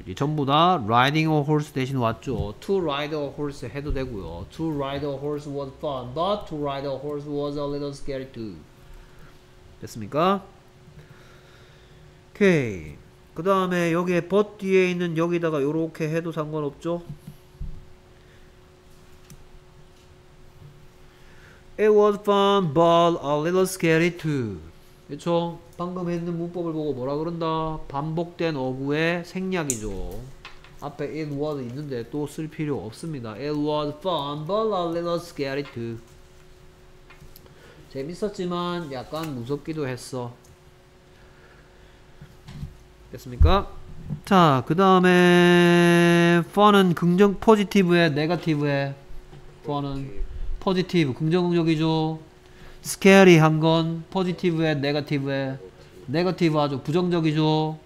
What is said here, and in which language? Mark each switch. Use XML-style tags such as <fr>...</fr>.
<ko>이제 전부 다</ko> <en>riding a horse</en> <ko>대신 왔죠.</ko> <en>to ride a horse</en> <ko>해도 되고요.</ko> <en>to ride a horse was fun but to ride a horse was a little scary too.</en> <ko>됐습니까? 오케이. 그 다음에 여기에 but 뒤에 있는 여기다가 요렇게 해도 상관없죠?</ko> <en>It was fun but a little scary too.</en> <ko>그쵸? 방금 했는 문법을 보고 뭐라 그런다? 반복된 어구의 생략이죠. 앞에 it was 있는데 또 쓸 필요 없습니다.</ko> <en>It was fun but a little scary too.</en> <ko>재밌었지만 약간 무섭기도 했어. 됐습니까? 자, 그 다음에 fun은 긍정 positive에 negative에 fun은 positive, 긍정적이죠. scary 한 건 positive에 negative에 negative 아주 부정적이죠.</ko>